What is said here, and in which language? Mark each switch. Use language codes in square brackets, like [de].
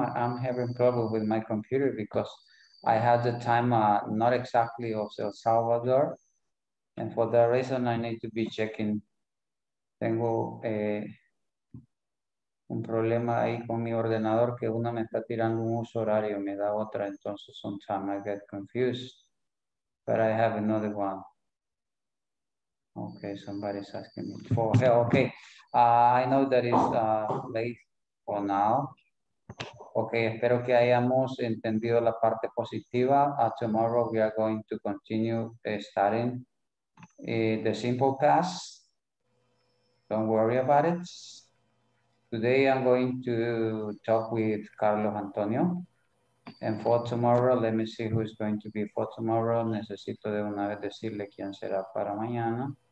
[en] I'm having trouble with my computer because I had the time not exactly of El Salvador. And for that reason, I need to be checking. [es] Tengo un problema ahí con mi ordenador que una me está tirando un uso horario, me da otra. [en] Entonces, sometimes I get confused. But I have another one. Okay, somebody's asking me for help. Okay, I know that it's late for now. [es] Okay, espero que hayamos entendido la parte positiva. [en] Tomorrow we are going to continue studying the simple past. Don't worry about it. Today I'm going to talk with Carlos Antonio. And for tomorrow, let me see who is going to be for tomorrow. [es] Necesito de una vez decirle quién será para mañana.